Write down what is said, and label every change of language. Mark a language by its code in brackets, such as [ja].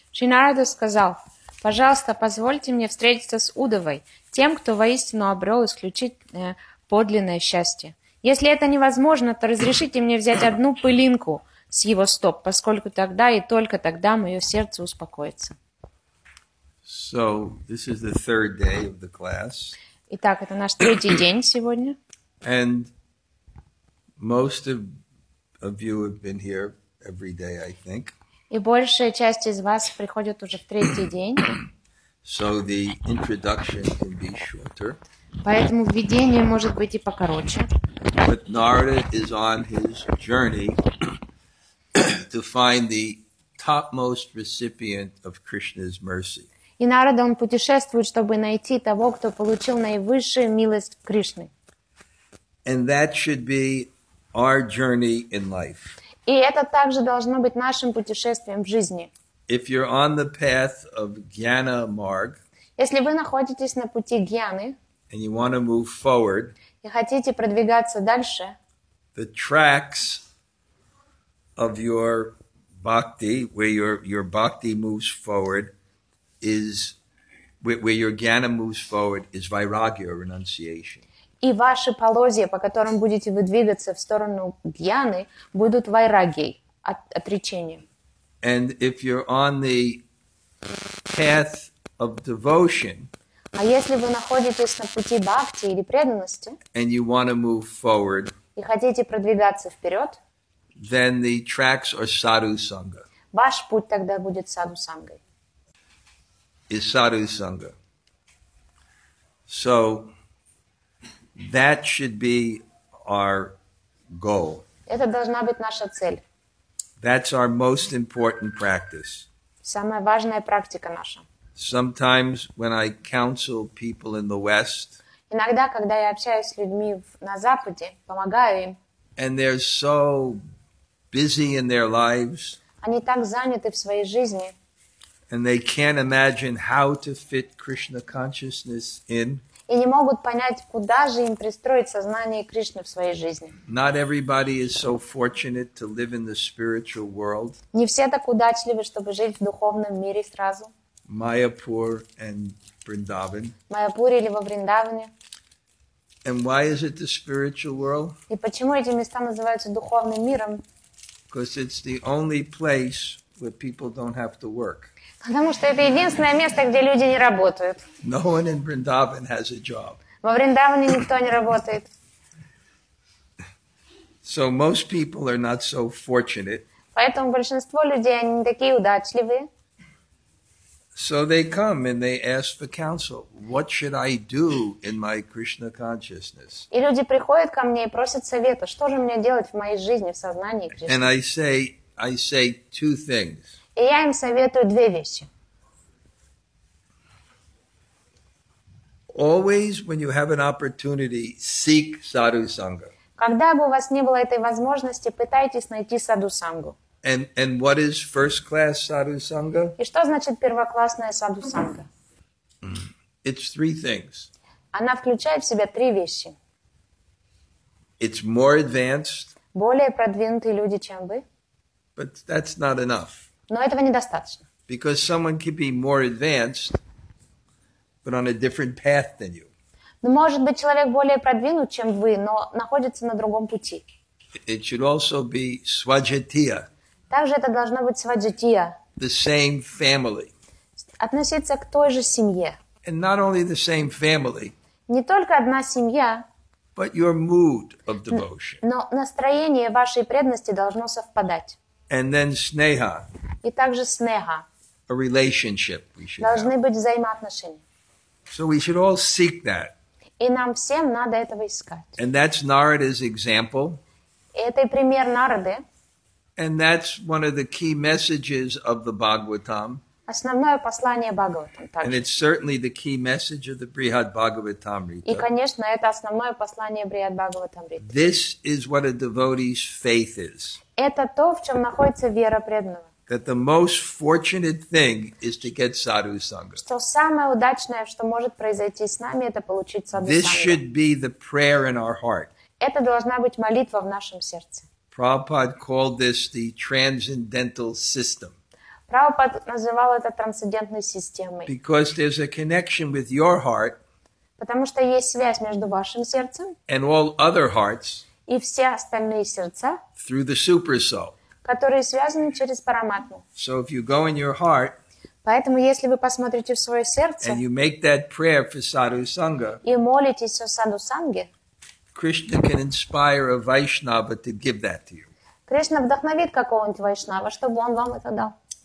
[ru] Шри Нарада сказал, пожалуйста, позвольте мне встретиться с Уддхавой, тем, кто воистину обрел исключительное подлинное счастье. Если это невозможно, то разрешите мне взять одну пылинку с его стоп, поскольку тогда и только тогда мое сердце успокоится. [en] So, this is the third day of the class. [ru] Итак, это наш третий день сегодня. [en] And most of you have been here every day, I think. [ru] И большая часть из вас приходит уже в третий день. [en] So the introduction can be shorter. [ru] Поэтому введение может быть и покороче. [en] But Narada is on his journey to find the topmost recipient of Krishna's mercy. [ru] И Нарада, он путешествует, чтобы найти того, кто получил наивысшую милость Кришны. [en] And that should be our journey in life. [ru] И это также должно быть нашим путешествием в жизни. [en] If you're on the path of Jnana Marg, [ru] если вы находитесь на пути Гьяны, [en] and you want to move forward, [ru] и хотите продвигаться дальше, [en] the tracks of your bhakti, where your bhakti moves forward, is where your jnana moves forward, is vairagya, renunciation. [ru] И ваши полозья, по которым будете вы двигаться в сторону джняны, будут вайрагьей, отречением. [en] And if you're on the path of devotion, [ru] а если вы находитесь на пути бхакти или преданности, [en] and you want to move forward, [ru] и хотите продвигаться вперед, [en] then the tracks are sadhu sangha. [ru] Ваш путь тогда будет sadhu sangha. [en] Is sadhu sangha. So that should be our goal. [ru] Это должна быть наша цель. [en] That's our most important practice. [ru] Самая важная практика наша. [en] Sometimes when I counsel people in the West, [ru] иногда, когда я общаюсь с людьми на Западе, помогаю им, [en] and they're so busy in their lives, [ru] они так заняты в своей жизни, [en] and they can't imagine how to fit Krishna consciousness in, [ru] и не могут понять, куда же им пристроить сознание Кришны в своей жизни. [en] Not everybody is so fortunate to live in the spiritual world. [ru] Не все так удачливы, чтобы жить в духовном мире сразу. [en] Майяпур and Бриндаван. [ru] Майяпур или во Вриндаване. [en] And why is it the spiritual world? [ru] И почему эти места называются духовным миром? [en] Because it's the only place where people don't have to work. [ru] Потому что это единственное место, где люди не работают. [en] No one in Vrindavan has a job. [ru] Во Вриндаване никто не работает. [en] So most people are not so fortunate. [ru] Поэтому большинство людей они не такие удачливые. [en] So they come and they ask for counsel. What should I do in my Krishna consciousness? [ru] И люди приходят ко мне и просят совета. Что же мне делать в моей жизни, в сознании Кришны? [en] And I say two things. [ru] И я им советую две вещи. [en] Always, when you have an opportunity, seek sadhu sangha. [ru] Когда бы у вас не было этой возможности, пытайтесь найти саду сангу. [en] And what is first class sadhu sangha? [ru] И что значит первоклассная саду сангха? [en] It's three things. [ru] Она включает в себя три вещи. [en] It's more advanced. [ru] Более продвинутые люди, чем вы. [en] But that's not enough. [ru] Но этого недостаточно. [en] Because someone could be more advanced, but on a different path than you. [ru] Ну, может быть, человек более продвинут, чем вы, но находится на другом пути. [en] It should also be svajatiya. [ru] Также это должно быть свадьятия. [en] The same family. [ru] Относиться к той же семье. [en] And not only the same family. [ru] Не только одна семья. [en] But your mood of devotion. [ru] Но настроение вашей преданности должно совпадать. [en] And then sneha. [ru] И также снеха. [en] A relationship we should [ru] должны [en] have. [ru] Быть взаимоотношения. [en] So we should all seek that. [ru] И нам всем надо этого искать. [en] And that's Narada's example. [ru] Это пример Нарады. [en] And that's one of the key messages of the Bhagavatam. [ru] Основное послание Бхагаватам. [en] And it's certainly the key message of the Brihad Bhagavatamrita. [ru] И, конечно, это основное послание Брихад Бхагаватамрита. [en] This is what a devotee's faith is. [ru] Это то, в чем находится вера преданного. [en] That the most fortunate thing is to get sadhu sangha. [ru] Что самое удачное, что может произойти с нами, это получить саду-сангу. [en] This should be the prayer in our heart. [ru] Это должна быть молитва в нашем сердце. [en] Prabhupada called this the transcendental system. [ru] Prabhupada называл это трансцендентной системой. [en] Because there's a connection with your heart. [ru] Потому что есть связь между вашим сердцем. [en] And all other hearts. [ru] И все остальные сердца. [en] Through the super soul. [ru] Которые связаны через параматму. [en] So if you go in your heart. [ru] Поэтому если вы посмотрите в свое сердце. [en] And you make that prayer for sadhu sangha. [ru] И молитесь о саду санге. [en] Krishna can inspire a Vaishnava to give that to you. [ru] Кришна вдохновит какого-нибудь Вайшнава, чтобы он вам это дал.